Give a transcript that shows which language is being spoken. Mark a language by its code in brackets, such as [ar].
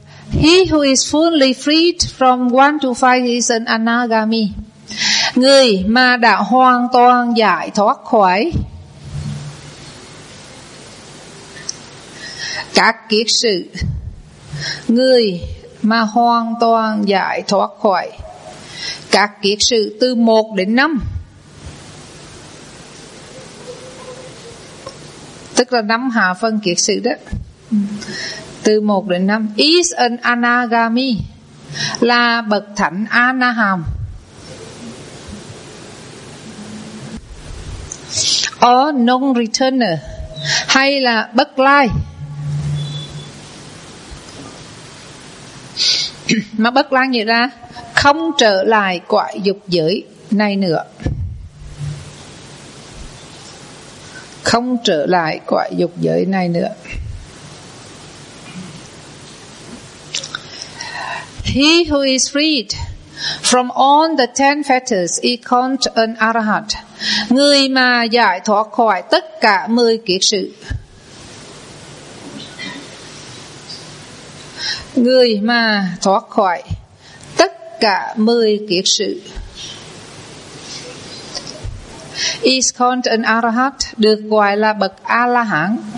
[en] He who is fully freed from 1 to 5 is an anagami. [vi] Người mà đã hoàn toàn giải thoát khỏi các kiết sự, người mà hoàn toàn giải thoát khỏi các kiết sự từ 1 đến 5, tức là 5 hạ phân kiết sự đó, từ 1 đến 5, [en] is an anagami, [vi] là bậc thánh Anaham. [en] Or non-returner, [vi] hay là bất lai. Mà bất lai nghĩa là không trở lại cõi dục giới này nữa. Không trở lại cõi dục giới này nữa. [en] He who is freed from all the 10 fetters is called an arahat. [vi] Người mà giải thoát khỏi tất cả 10 kiết sự. Người mà thoát khỏi tất cả 10 kiết sự [en] is called an arahat, [vi] được gọi là bậc A La Hán.